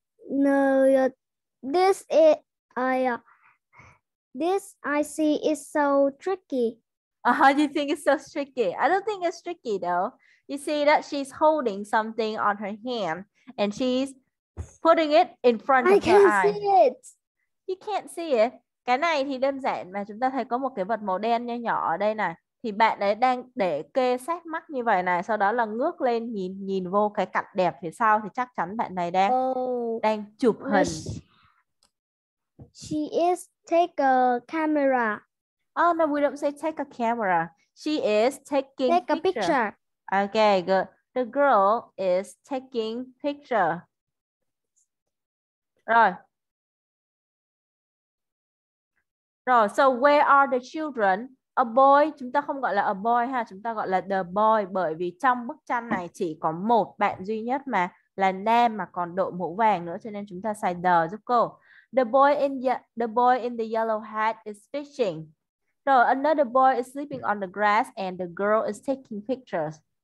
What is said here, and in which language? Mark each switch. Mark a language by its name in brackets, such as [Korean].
[English] No, this is this I see is so tricky. How do you think it's so tricky? I don't think it's tricky, though. You see that she's holding something on her hand and she's putting it in front of her eye. I can You can't see it. [Vietnamese] Cái này thì đơn giản mà chúng ta thấy có một cái vật màu đen nho nhỏ ở đây này. Thì bạn ấy đang để kê sát mắt như vậy này. Sau đó là ngước lên nhìn nhìn vô cái cảnh đẹp phía sau. Thì chắc chắn bạn này đang [English] Oh, [Vietnamese] đang chụp hình. [English] she is take a camera. Oh, no, we don't say take a camera. She is Take a taking picture. picture. Okay, good. The girl is taking picture. [Vietnamese] Rồi. Rồi, [English] so where are the children? A boy, [Vietnamese] chúng ta không gọi là a boy ha, chúng ta gọi là the boy bởi vì trong bức tranh này chỉ có một bạn duy nhất mà là nam mà còn đội mũ vàng nữa cho nên chúng ta xài the giúp cô. [English] The boy in the yellow hat is fishing. Rồi, another boy is sleeping on the grass and the girl is taking pictures.